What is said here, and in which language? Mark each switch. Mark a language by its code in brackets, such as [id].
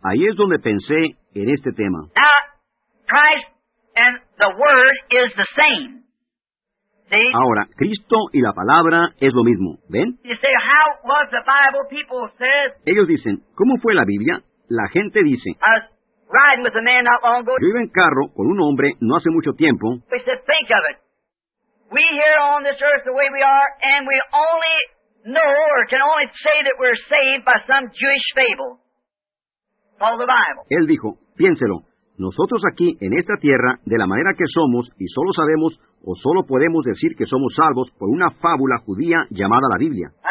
[es] Ahí es donde pensé en este tema. [en] Now, Christ and the Word is the same. See? [es] Ahora, Cristo y la palabra es lo mismo. ¿Ven? [en] You say, how was the Bible people said? [es] Ellos dicen, ¿cómo fue la Biblia? La gente dice, [en] I was riding with a man not long ago. [es] Yo iba en carro con un hombre no hace mucho tiempo. [en] They said, think of it. We here on this earth the way we are, and we only know or can only say that we're saved by some Jewish fable called the Bible. [es] Él dijo, piénselo, Nosotros aquí, en esta tierra, de la manera que somos, y solo sabemos, o solo podemos decir que somos salvos por una fábula judía llamada la Biblia.